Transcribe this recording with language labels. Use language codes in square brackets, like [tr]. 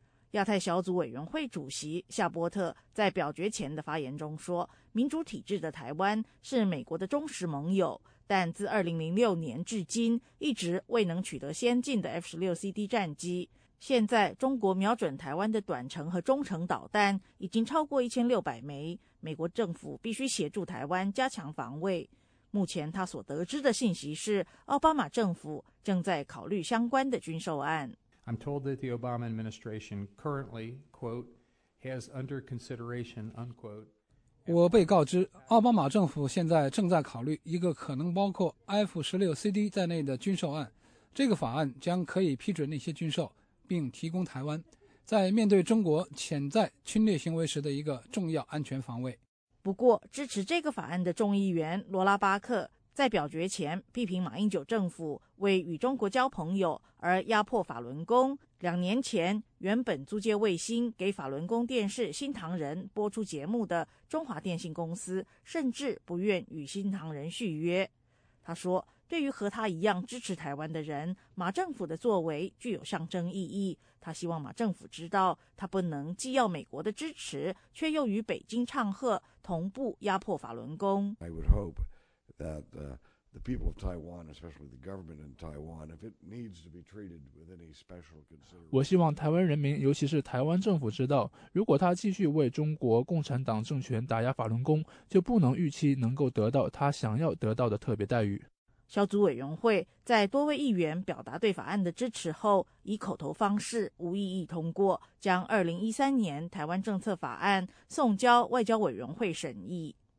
[zh] 亚太小组委员会主席夏波特在表决前的发言中说，民主体制的台湾是美国的忠实盟友，但自2006年至今一直未能取得先进的 F-16CD 战机。现在中国瞄准台湾的短程和中程导弹已经超过1600枚，美国政府必须协助台湾加强防卫。目前他所得知的信息是，奥巴马政府正在考虑相关的军售案。 [en] I'm told that the Obama administration currently, quote, has under consideration, unquote. [zh] 我被告知，奥巴马政府现在正在考虑一个可能包括 F-16CD 在内的军售案。这个法案将可以批准那些军售，并提供台湾在面对中国潜在侵略行为时的一个重要安全防卫。不过，支持这个法案的众议员罗拉巴克在表决前批评马英九政府为与中国交朋友而压迫法轮功，两年前原本租借卫星给法轮功电视新唐人播出节目的中华电信公司甚至不愿与新唐人续约。他说，对于和他一样支持台湾的人，马政府的作为具有象征意义，他希望马政府知道他不能既要美国的支持却又与北京唱和同步压迫法轮功。 [en] I would hope. The people of Taiwan, especially the government in Taiwan, if it needs to be treated with any special consideration, [zh] 我希望台湾人民，尤其是台湾政府知道，如果他继续为中国共产党政权打压法轮功，就不能预期能够得到他想要得到的特别待遇。小组委员会在多位议员表达对法案的支持后，以口头方式无异议通过，将2013年台湾政策法案送交外交委员会审议。